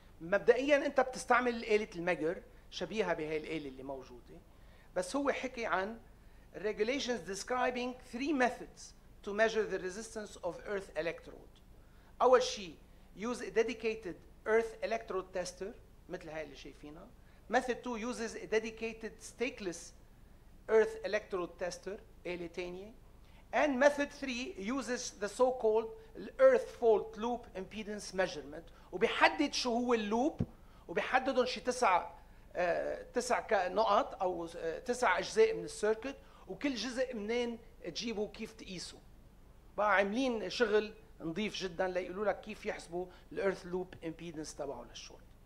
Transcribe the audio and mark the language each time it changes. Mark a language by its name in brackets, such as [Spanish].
[Arabic] مبدئياً أنت بتستعمل آلة المجر شبيهة بهاي الآلة اللي موجودة، بس هو حكي عن [English] regulations describing three methods to measure the resistance of earth electrode. [Arabic] أول شيء [English] use a dedicated earth electrode tester [Arabic] مثل هاي اللي شايفينها. [English] Method two uses a dedicated stakeless earth electrode tester elitania, and method 3 uses the so called earth fault loop impedance measurement. [Arabic] وبيحدد شو هو اللوب، وبيحددهم شي تسع نقط او تسع اجزاء من السيركت، وكل جزء منين تجيبه كيف تقيسه. بقى عاملين شغل نظيف جدا ليقولوا لك كيف يحسبوا الايرث لوب امبيدنس تبعه للشورت.